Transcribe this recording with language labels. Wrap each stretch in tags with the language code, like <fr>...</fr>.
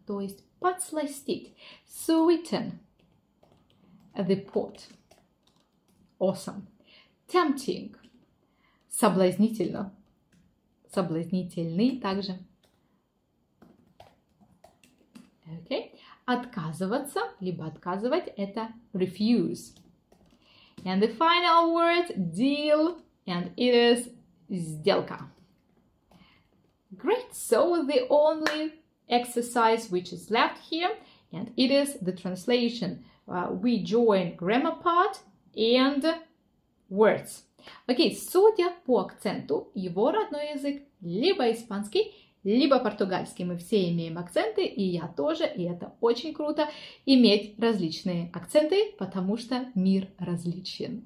<ru>То есть подсластить.</ru> <en>Sweeten. The pot. Awesome. Tempting.</en> <ru>Соблазнительно. Соблазнительный также.</ru> <en>Okay.</en> <ru>Отказываться, либо отказывать, это refuse.</ru> <en>And the final word, deal, and it is сделка. Great, so the only exercise which is left here, and it is the translation. We join grammar part and words.</en> <ru>Okay, судя по акценту, его родной язык либо испанский, либо португальский. Мы все имеем акценты, и я тоже, и это очень круто иметь различные акценты, потому что мир различен.</ru>